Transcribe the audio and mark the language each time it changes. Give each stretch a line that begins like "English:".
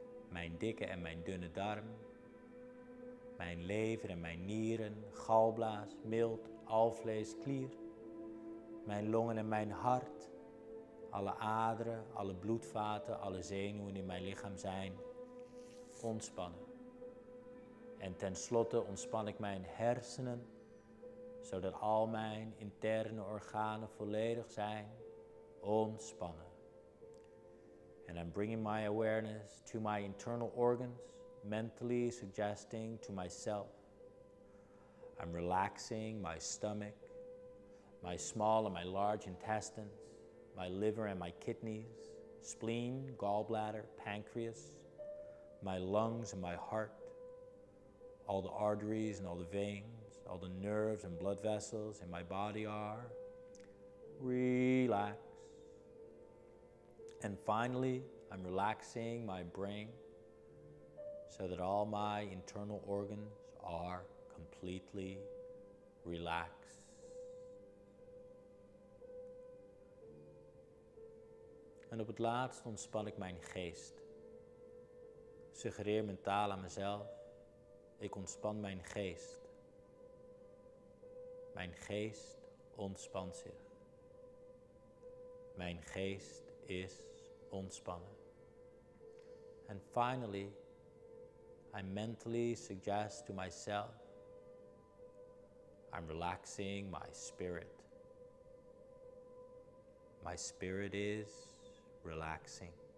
Dutch: mijn dikke en mijn dunne darm, mijn lever en mijn nieren, galblaas, milt, alvlees, klier, mijn longen en mijn hart, alle aderen, alle bloedvaten, alle zenuwen in mijn lichaam zijn ontspannen. En tenslotte ontspan ik mijn hersenen, zodat al mijn interne organen volledig zijn ontspannen.
English: And I'm bringing my awareness to my internal organs, mentally suggesting to myself. I'm relaxing my stomach, my small and my large intestines, my liver and my kidneys, spleen, gallbladder, pancreas, my lungs and my heart, all the arteries and all the veins, all the nerves and blood vessels in my body are relax. And finally, I'm relaxing my brain so that all my internal organs are completely relaxed.
Dutch: En op het laatst ontspan ik mijn geest. Suggereer mentaal aan mezelf. Ik ontspan mijn geest. Mijn geest ontspant zich. Mijn geest is ontspannen.
English: And finally, I mentally suggest to myself, I'm relaxing my spirit. My spirit is relaxing.